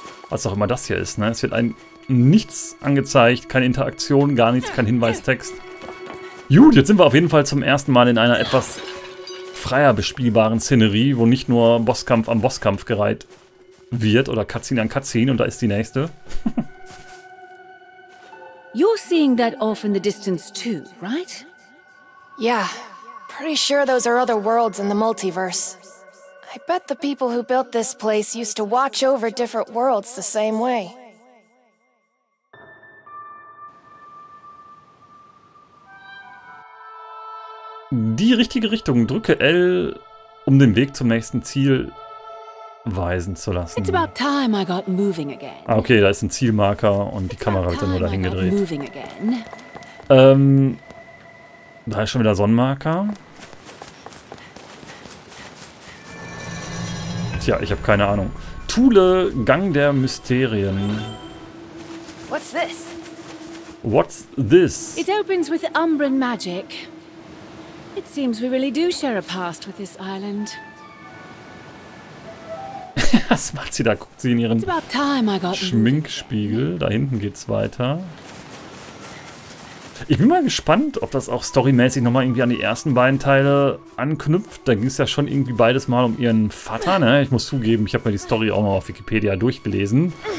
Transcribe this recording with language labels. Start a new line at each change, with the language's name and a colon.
German: Was auch immer das hier ist, ne? Es wird ein nichts angezeigt, keine Interaktion, gar nichts, kein Hinweistext. Gut, jetzt sind wir auf jeden Fall zum ersten Mal in einer etwas freier bespielbaren Szenerie, wo nicht nur Bosskampf am Bosskampf gereiht wird oder Cutscene an Cutscene und da ist die nächste.
English: You're seeing that off in the distance too, right? Yeah, pretty sure those are other worlds in the multiverse. I bet the people who built this place used to watch over different worlds the same way.
German: Die richtige Richtung. Drücke L, um den Weg zum nächsten Ziel weisen zu lassen.
English: It's about time I got moving again.
German: Ah, okay, da ist ein Zielmarker und die Kamera wird dann nur dahin gedreht. Da ist schon wieder Sonnenmarker. Tja, ich habe keine Ahnung. Thule, Gang der Mysterien.
English: What's this? What's this? It opens with Umbran magic. It seems we really do share a past with this island.
German: Was macht sie da? Guckt sie in ihren Schminkspiegel. Da hinten geht's weiter. Ich bin mal gespannt, ob das auch storymäßig nochmal irgendwie an die ersten beiden Teile anknüpft. Da ging es ja schon irgendwie beides mal um ihren Vater, ne? Ich muss zugeben, ich habe mir die Story auch mal auf Wikipedia durchgelesen.